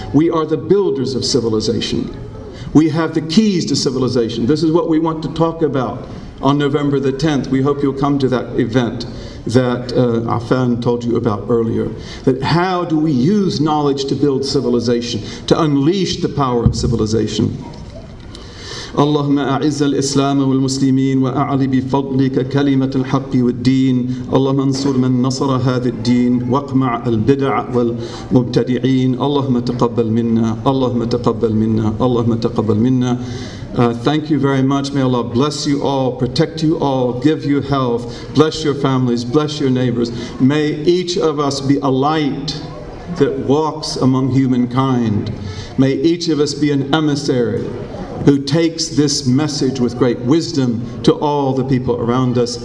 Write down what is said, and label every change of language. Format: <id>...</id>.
<en>We are the builders of civilization. We have the keys to civilization. This is what we want to talk about on November the 10th. We hope you'll come to that event that Afan told you about earlier. That how do we use knowledge to build civilization, to unleash the power of civilization?</en> <ar>اللهم أعز الإسلام والمسلمين وأعلي بفضلك كلمة الحق والدين اللهم انصر من نصر هذا الدين واقمع البدع والمبتدعين اللهم تقبل منا اللهم تقبل منا اللهم تقبل منا thank you very much.</ar> <en>May Allah bless you all, protect you all, give you health, bless your families, bless your neighbors. May each of us be a light that walks among humankind. May each of us be an emissary who takes this message with great wisdom to all the people around us.</en>